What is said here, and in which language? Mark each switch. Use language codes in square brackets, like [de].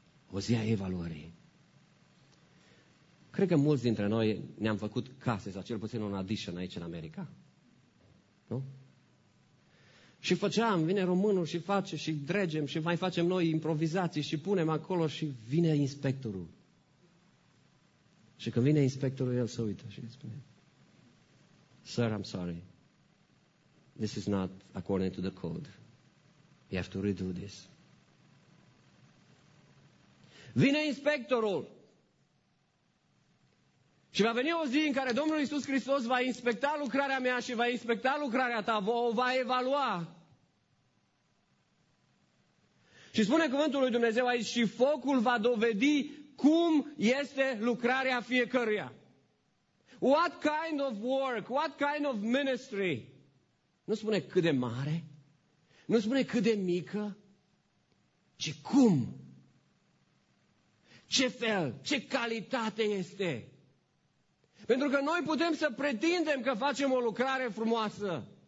[ro] O zi a evaluării. Cred că mulți dintre noi ne-am făcut case, sau cel puțin un addition aici în America. Nu? Și făceam, vine românul și face și dregem și mai facem noi improvizații și punem acolo și vine inspectorul. Și când vine inspectorul, el se uită și îi spune, [en] Sir, I'm sorry. This is not according to the code. You have to redo this. [ro] Vine inspectorul. Și va veni o zi în care Domnul Iisus Hristos va inspecta lucrarea mea și va inspecta lucrarea ta, o va evalua. Și spune cuvântul lui Dumnezeu aici, și focul va dovedi cum este lucrarea fiecăruia. [en] What kind of work, what kind of ministry? [ro] Nu spune cât de mare, nu spune cât de mică, ci cum, ce fel, ce calitate este. Pentru că noi putem să pretindem că facem o lucrare frumoasă.